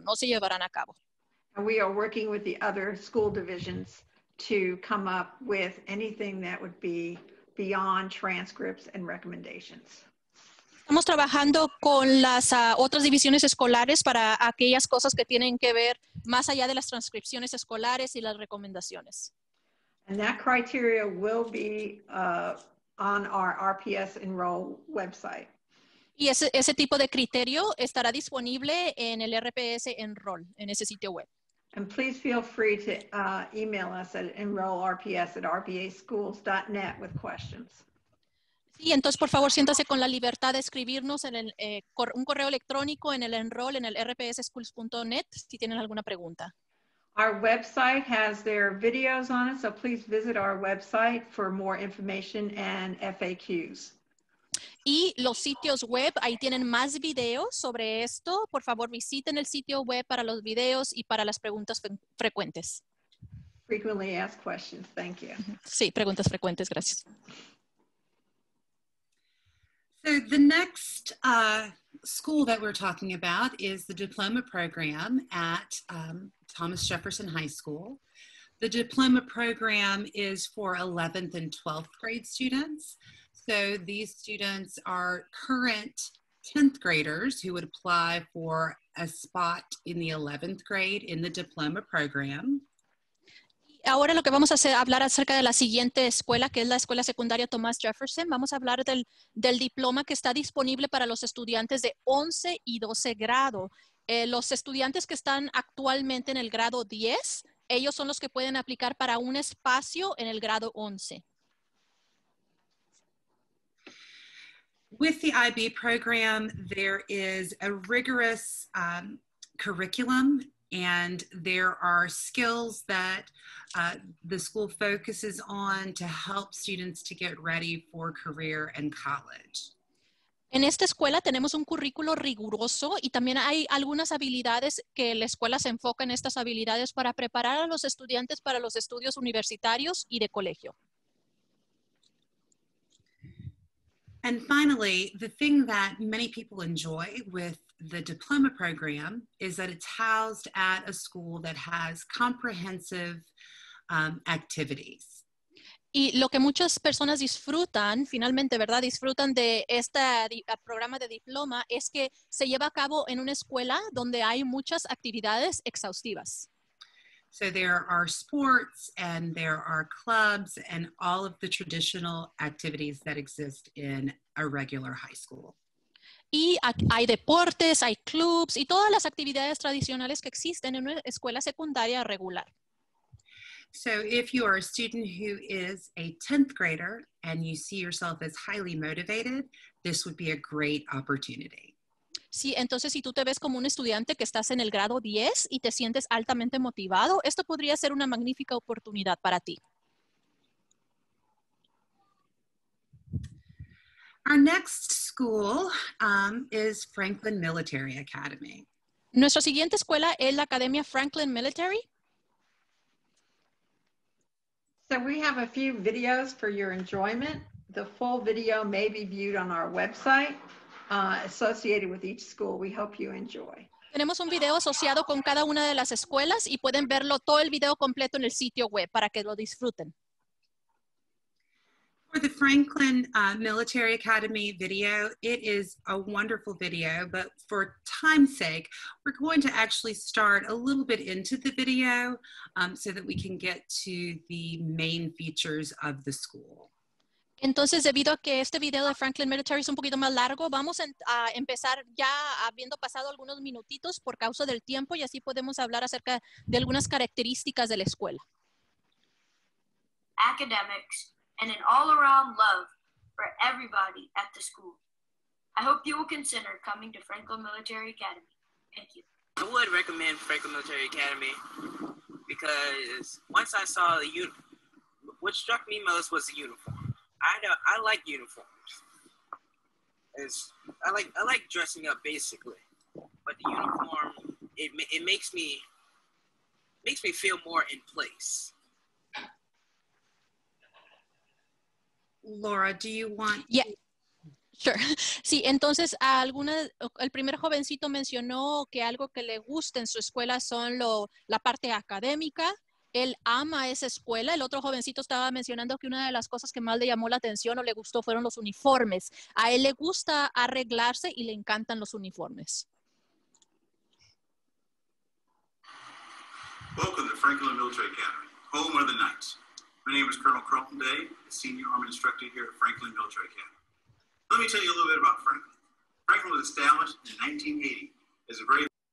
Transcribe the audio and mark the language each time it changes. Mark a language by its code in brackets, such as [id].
[es] No se llevarán a cabo. [en] And we are working with the other school divisions to come up with anything that would be beyond transcripts and recommendations. [es] Estamos trabajando con las otras divisiones escolares para aquellas cosas que tienen que ver más allá de las transcripciones escolares y las recomendaciones. [en] And that criteria will be on our RPS Enroll website. [es] Y ese tipo de criterio estará disponible en el RPS Enroll, en ese sitio web. [en] And please feel free to email us at enrollrps@rpaschools.net with questions. [es] Sí, entonces por favor siéntase con la libertad de escribirnos en el un correo electrónico en el enroll en el rpsschools.net si tienen alguna pregunta. [en] Our website has their videos on it, so please visit our website for more information and FAQs. [es] Y los sitios web, ahí tienen más videos sobre esto. Por favor, visiten el sitio web para los videos y para las preguntas frecuentes. [en] Frequently asked questions, thank you. [es] Sí, preguntas frecuentes, gracias. [en] So the next school that we're talking about is the diploma program at Thomas Jefferson High School. The diploma program is for 11th and 12th grade students. So these students are current 10th graders who would apply for a spot in the 11th grade in the diploma program. [es] Ahora lo que vamos a hacer, hablar acerca de la siguiente escuela, que es la escuela secundaria Thomas Jefferson. Vamos a hablar del diploma que está disponible para los estudiantes de 11 y 12 grado. Los estudiantes que están actualmente en el grado 10, ellos son los que pueden aplicar para un espacio en el grado 11. [en] With the IB program, there is a rigorous curriculum, and there are skills that the school focuses on to help students to get ready for career and college. [es] En esta escuela tenemos un currículo riguroso y también hay algunas habilidades que la escuela se enfoca en estas habilidades para preparar a los estudiantes para los estudios universitarios y de colegio. [en] And finally, the thing that many people enjoy with the diploma program is that it's housed at a school that has comprehensive activities. [es] Y lo que muchas personas disfrutan, finalmente, ¿verdad? Disfrutan de este programa de diploma es que se lleva a cabo en una escuela donde hay muchas actividades exhaustivas. [en] So there are sports and there are clubs and all of the traditional activities that exist in a regular high school. [es] Y hay deportes, hay clubs y todas las actividades tradicionales que existen en una escuela secundaria regular. [en] So if you are a student who is a 10th grader and you see yourself as highly motivated, this would be a great opportunity. [es] Sí, entonces si tú te ves como un estudiante que estás en el grado 10 y te sientes altamente motivado, esto podría ser una magnífica oportunidad para ti. [en] Our next school is Franklin Military Academy. [es] Nuestra siguiente escuela es la Academia Franklin Military. [en] So we have a few videos for your enjoyment. The full video may be viewed on our website. Associated with each school, we hope you enjoy. [es] Tenemos un video asociado con cada una de las escuelas y pueden verlo todo el video completo en el sitio web para que lo disfruten. [en] For the Franklin Military Academy video, it is a wonderful video, but for time's sake, we're going to actually start a little bit into the video so that we can get to the main features of the school. [es] Entonces, debido a que este video de Franklin Military es un poquito más largo, vamos a empezar ya habiendo pasado algunos minutitos por causa del tiempo y así podemos hablar acerca de algunas características de la escuela. [en] Academics and an all-around love for everybody at the school. I hope you will consider coming to Franklin Military Academy. Thank you. I would recommend Franklin Military Academy because once I saw the uniform, what struck me most was the uniform. I know, I like uniforms. I like dressing up basically. But the uniform, it makes me makes me feel more in place. Laura, do you want... Yeah. Sure. [es] Sí, entonces alguna, el primer jovencito mencionó que algo que le gusta en su escuela son lo, la parte académica. Él ama esa escuela. El otro jovencito estaba mencionando que una de las cosas que más le llamó la atención o le gustó fueron los uniformes. A él le gusta arreglarse y le encantan los uniformes. [en] Welcome to Franklin Military Academy, home of the Knights. My name is Colonel Carlton Day, senior Army instructor here at Franklin Military Academy. Let me tell you a little bit about Franklin. Franklin was established in 1980 as a very...